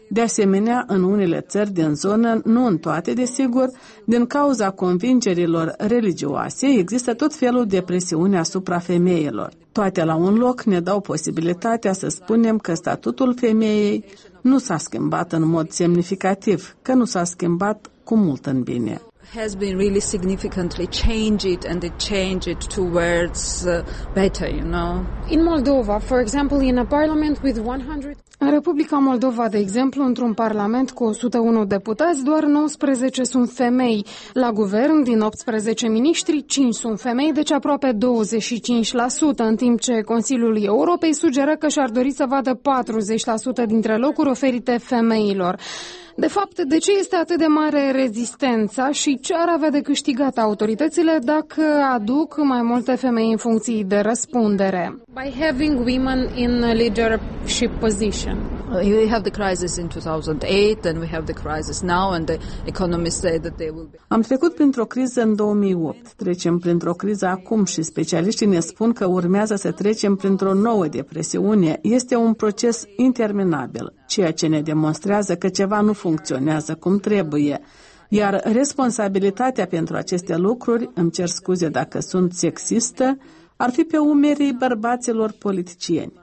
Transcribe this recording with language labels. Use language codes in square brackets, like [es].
[ro] De asemenea, în unele țări din zonă, nu în toate desigur, din cauza convingerilor religioase, există tot felul de presiune asupra femeilor. Toate la un loc ne dau posibilitatea să spunem că statutul femeii nu s-a schimbat în mod semnificativ, că nu s-a schimbat cu mult în bine. [en] Has been really significantly changed and it changed towards better, you know. In Moldova, for example, in a parliament with 100. [ro] În Republica Moldova, de exemplu, într-un parlament cu 101 deputați, doar 19 sunt femei. La guvern, din 18 miniștri, 5 sunt femei, deci aproape 25%, în timp ce Consiliul Europei sugeră că și-ar dori să vadă 40% dintre locuri oferite femeilor. De fapt, de ce este atât de mare rezistența și ce ar avea de câștigat autoritățile dacă aduc mai multe femei în funcții de răspundere? [en] By having women in a leadership position. We have the crisis in 2008 and we have the crisis now and the economists say that they will be. [ro] Am trecut printr-o criză în 2008. Trecem printr-o criză acum și specialiștii ne spun că urmează să trecem printr-o nouă depresiune. Este un proces interminabil, ceea ce ne demonstrează că ceva nu funcționează cum trebuie. Iar responsabilitatea pentru aceste lucruri, îmi cer scuze dacă sunt sexistă, ar fi pe umerii bărbaților politicieni.